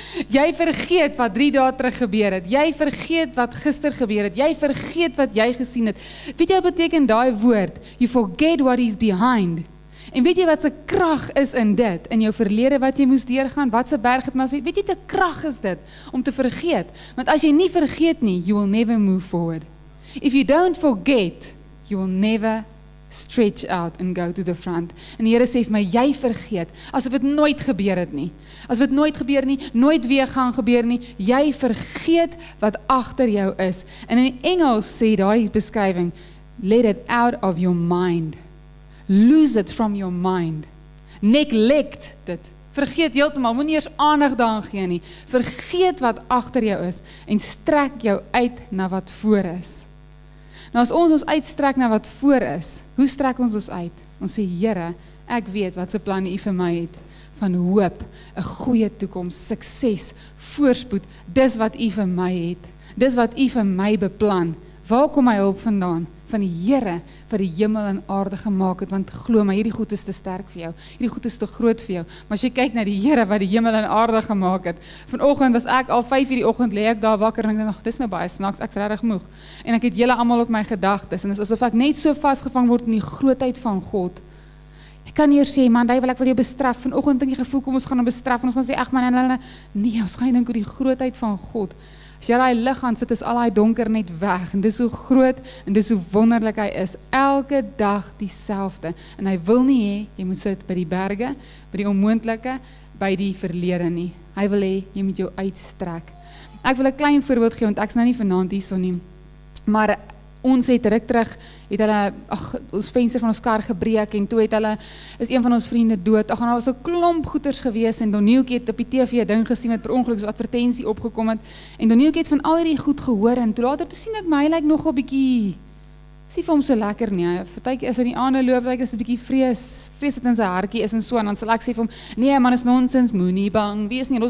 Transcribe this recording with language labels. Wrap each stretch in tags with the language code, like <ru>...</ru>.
<af>Jy vergeet wat 3 dae terug gebeur het, jy vergeet wat gister gebeur het, jy vergeet wat jy gesien het. Weet jy wat beteken daai woord? You forget what is behind. En weet jy wat se krag is in dit, in jou verlede wat jy moes deurgaan, wat se berg het maar, weet jy wat se krag is dit, om te vergeet? Want as jy nie vergeet nie, you will never move forward.</af> <en>If you don't forget, you will never stretch out and go to the front.</en> <af>En die Here sê vir my, jy vergeet, asof het nooit gebeur het nie. Asof het nooit gebeur nie, nooit weer gaan gebeur nie, jy vergeet wat agter jou is. En in Engels sê die beskrywing, let it out of your mind.</af> <en>Lose it from your mind. Neglect dit.</en> <af>Vergeet heeltemal, moet nie eers aandag daan gee nie. Vergeet wat agter jou is en strek jou uit na wat voor is. Nou as ons ons uitstrek na wat voor is, hoe strek ons ons uit? Ons sê, Here, ek weet wat se plan u vir my het, van hoop, 'n goeie toekoms, sukses, voorspoed, dis wat u vir my het, dis wat u vir my beplan, waar kom my hulp vandaan? van die Here wat die hemel en aarde gemaak het, want glo my, hierdie goed is te sterk vir jou. Hierdie goed is te groot vir jou. Maar as jy kyk na die Here wat die hemel en aarde gemaak het. Vanoggend was ek al 5:00 die oggend lê ek daar wakker en ek dink, "Ag, dis nou baie snaaks, ek's regtig moeg." En ek het julle almal op my gedagtes en dit is asof ek net so vasgevang word in die grootheid van God. Ek kan nie eers sê, "Man, duivel, ek wil jou bestraf." Vanoggend het ek die gevoel kom ons gaan hom bestraf en ons gaan sê, "Ag, man, hulle nee, ons gaan dink oor die grootheid van God." As jy daai lig aan sit, is al daai donker net weg. En dis hoe groot en dis hoe wonderlik hy is. Elke dag dieselfde. En hy wil nie hê jy moet sit by die berge, by die onmoontlike, by die verlede nie. Hy wil hê jy moet jou uitstrek. Ek wil 'n klein voorbeeld gee, want ek's nou nie vanaand hierson nie. Maar ons het ruk terug, het hulle, ag, ons venster van ons kar gebreek en toe het hulle, is een van ons vriende dood. Ag, en daar was 'n klomp goeters gewees en Donnieuwkie het op die TV 'n ding gesien wat per ongeluk so 'n advertensie opgekom het. En Donnieuwkie het van al hierdie goed gehoor en toe later toe sien ek my, hy lyk nogal bietjie, sien vir hom so lekker nie. Partykie is in die aande loop, lyk is 'n bietjie vrees wat in sy hartjie is en so. En dan sal ek sê vir hom, "Nee man, is nonsens, moenie bang wees nie.</af>